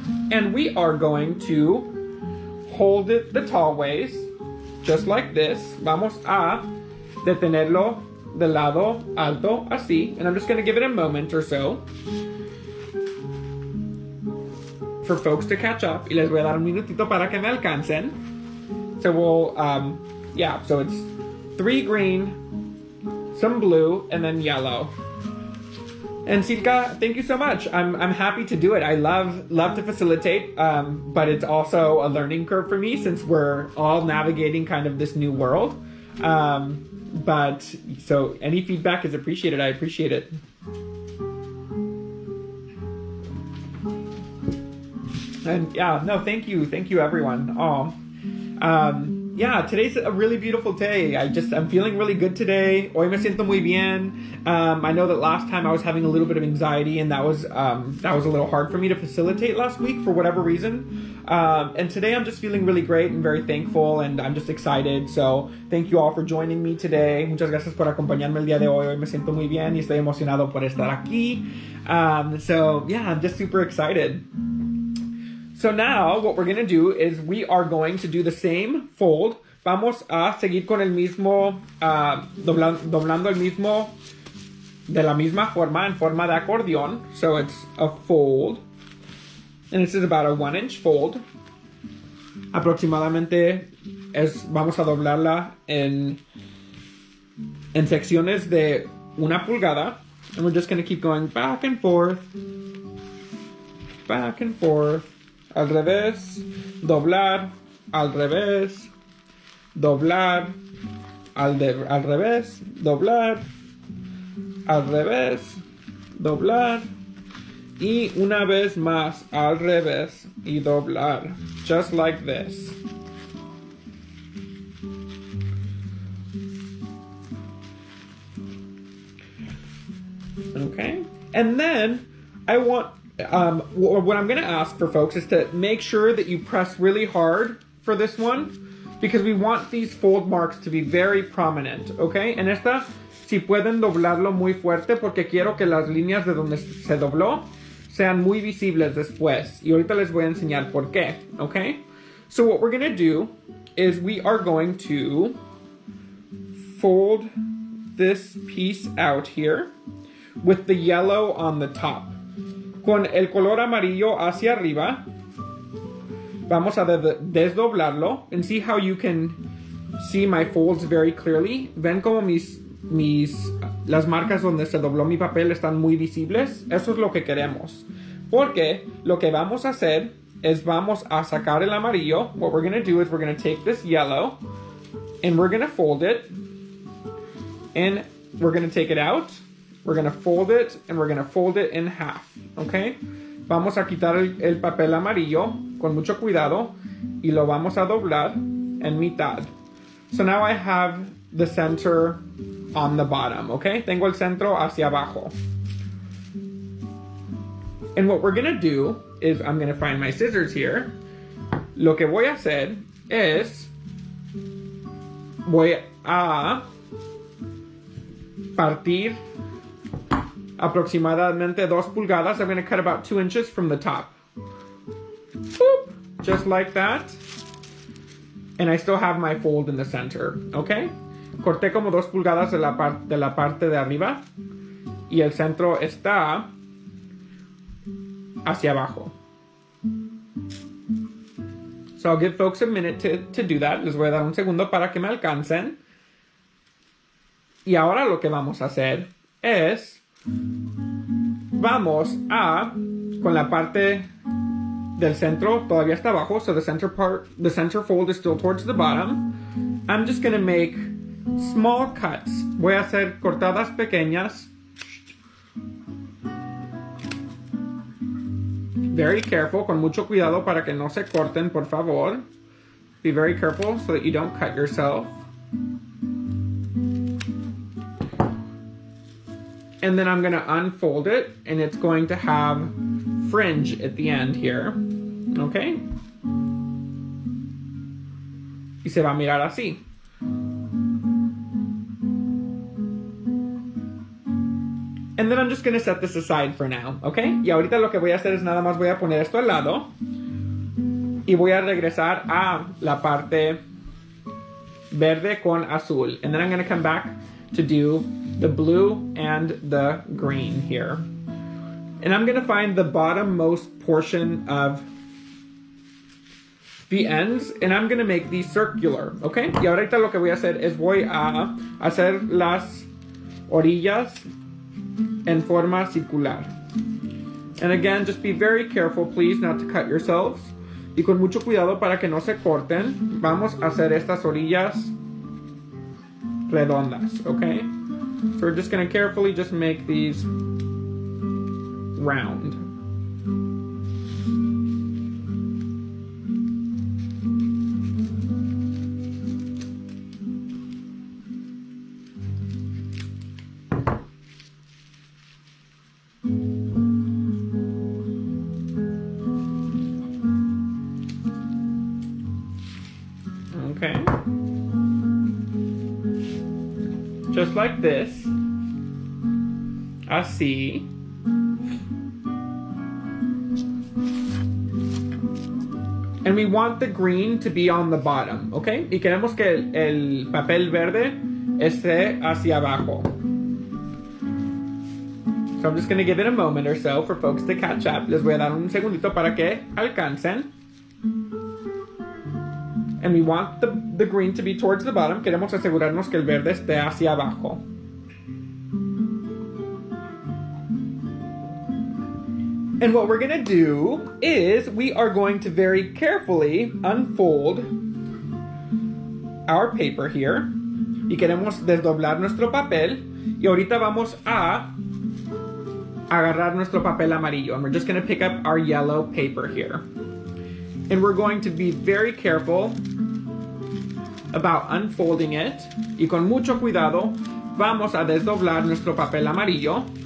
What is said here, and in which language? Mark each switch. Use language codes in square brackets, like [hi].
[en] And we are going to hold it the tall ways, just like this. [es] Vamos a detenerlo del lado alto, así. [en] And I'm just going to give it a moment or so for folks to catch up. [es] Y les voy a dar un minutito para que me alcancen. [en] So we'll, so it's three green, some blue, and then yellow. And Silka, thank you so much. I'm happy to do it. I love to facilitate, but it's also a learning curve for me since we're all navigating kind of this new world. So any feedback is appreciated. I appreciate it. And yeah, no, thank you. Thank you, everyone. Aw. Yeah, today's a really beautiful day. I'm feeling really good today. [es] Hoy me siento muy bien. [en] I know that last time I was having a little bit of anxiety, and that was a little hard for me to facilitate last week for whatever reason. And today I'm just feeling really great and very thankful, and I'm just excited. So thank you all for joining me today. [es] Muchas gracias por acompañarme el día de hoy. Hoy me siento muy bien y estoy emocionado por estar aquí. [en] I'm just super excited. So now, what we're going to do is we are going to do the same fold. [es] Vamos a seguir con el mismo, doblando el mismo, de la misma forma, en forma de acordeón. [en] So it's a fold. And this is about a 1-inch fold. [es] Aproximadamente, vamos a doblarla en secciones de una pulgada. [en] And we're just going to keep going back and forth. Back and forth. [es] Al revés, doblar, al revés, doblar, al revés, doblar, al revés, doblar, y una vez más, al revés, y doblar, [en] just like this. Okay, and then I want... what I'm going to ask for folks is to make sure that you press really hard for this one, because we want these fold marks to be very prominent, okay? [es] En esta, si pueden doblarlo muy fuerte, porque quiero que las líneas de donde se dobló sean muy visibles después. Y ahorita les voy a enseñar por qué, okay? [en] So what we're going to do is we are going to fold this piece out here with the yellow on the top. [es] Con el color amarillo hacia arriba, Vamos a desdoblarlo [en] and see how you can see my folds very clearly. [es] Ven como las marcas donde se dobló mi papel están muy visibles. Eso es lo que queremos. Porque lo que vamos a hacer es vamos a sacar el amarillo. [en] What we're going to do is we're going to take this yellow and we're going to fold it. And we're going to take it out. We're going to fold it and we're going to fold it in half. Okay? [es] Vamos a quitar el papel amarillo con mucho cuidado y lo vamos a doblar en mitad. [en] So now I have the center on the bottom, okay? [es] Tengo el centro hacia abajo. [en] And what we're gonna do is I'm gonna find my scissors here. [es] Lo que voy a hacer es voy a partir aproximadamente 2 pulgadas. [en] I'm gonna cut about 2 inches from the top. Boop, just like that. And I still have my fold in the center, okay? [es] Corté como 2 pulgadas de la parte de arriba. Y el centro está hacia abajo. [en] So I'll give folks a minute to do that. [es] Les voy a dar un segundo para que me alcancen. Y ahora lo que vamos a hacer es... Vamos a... Con la parte... del centro todavía está abajo, [en] so the center part, the center fold is still towards the bottom. I'm just gonna make small cuts. [es] Voy a hacer cortadas pequeñas. [en] Very careful, [es] con mucho cuidado para que no se corten, por favor. [en] Be very careful so that you don't cut yourself. And then I'm gonna unfold it, and it's going to have fringe at the end here. Okay. [es] Y se va a mirar así. [en] And then I'm just going to set this aside for now, okay? [es] Y ahorita lo que voy a hacer es nada más voy a poner esto al lado y voy a regresar a la parte verde con azul. [en] And then I'm going to come back to do the blue and the green here. And I'm going to find the bottommost portion of the ends, and I'm gonna make these circular, okay? [es] Y ahorita lo que voy a hacer es voy a hacer las orillas en forma circular. [en] And again, just be very careful, please, not to cut yourselves. [es] Y con mucho cuidado para que no se corten, vamos a hacer estas orillas redondas, okay? [en] So we're just gonna carefully just make these round. Just like this, [es] así, [en] and we want the green to be on the bottom, okay? [es] Y queremos que el papel verde esté hacia abajo. [en] So I'm just gonna give it a moment or so for folks to catch up. [es] Les voy a dar un segundito para que alcancen. [en] And we want the green to be towards the bottom. [es] Queremos asegurarnos que el verde esté hacia abajo. [en] And what we're going to do is we are going to very carefully unfold our paper here. [es] Y queremos desdoblar nuestro papel. Y ahorita vamos a agarrar nuestro papel amarillo. [en] And we're just going to pick up our yellow paper here. And we're going to be very careful about unfolding it. [es] Y con mucho cuidado, vamos a desdoblar nuestro papel amarillo.